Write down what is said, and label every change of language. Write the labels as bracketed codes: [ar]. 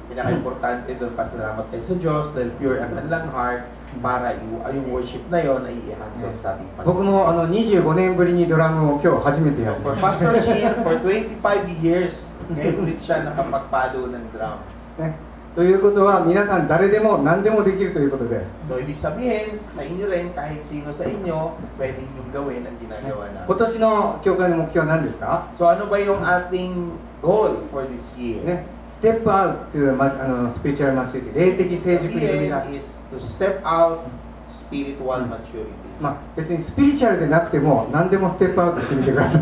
[tl] Pinaka-importante doon para salamat tayo sa Diyos dahil pure ang kanilang heart para yung worship na yun ay i-handle sa ating panahon. [ja] 僕も25年ぶりにドラムを今日初めてやった。 [en] So for Pastor Jim, for 25 years, [tl] ngayon ulit siya nakapagpalo ng drums. [ja] ということは皆さん誰でも何でもできるということです。 [tl] So, ibig sabihin, sa inyo rin, kahit sino sa inyo, pwede niyong gawin ang ginagawa na. [ja] 今年の教会の目標は何ですか？ [tl] So, ano ba yung ating [en] goal for this year? ね。Step out to spiritual maturity. [ja] 霊的成熟に踏み出す。 [en] To step out spiritual maturity. [ja] まあ別にスピリチュアルでなくても何でもステップアウトしてみてください。